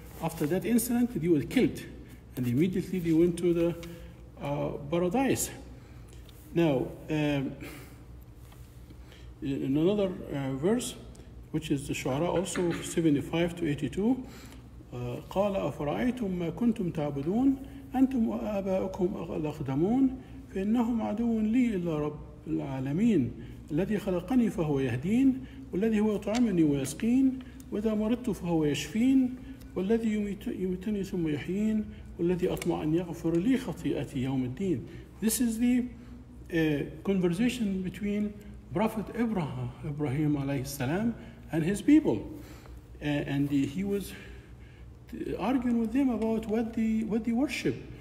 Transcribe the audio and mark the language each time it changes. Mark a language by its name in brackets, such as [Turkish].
[English] After that incident, they were killed, and immediately they went to the paradise. Now, in another verse, which is the Shu'ara, also 75 to 82, [Arabic] قَالَ أَفَرَأَيْتُمْ مَا كُنْتُمْ تَعْبُدُونَ أَنْتُمْ وَآبَاؤُكُمْ أَخْدَمُونَ فَإِنَّهُمْ عَدُوٌ لِي إِلَّا رَبِّ الْعَالَمِينَ الَّذِي خَلَقَنِي فَهُوَ يَهْدِينَ وَالَّذِي هُوَ يُطْعِمُنِي وَيَسْقِينَ وَإِذَا مَرِضْتُ فَهُوَ يَشْفِينَ والذي يميتني ثم يحيين والذي أطمع أن يغفر لي خطيئتي يوم الدين. [English] This is the conversation between Prophet Ibrahim عليه السلام and his people, and he was arguing with them about what they worship.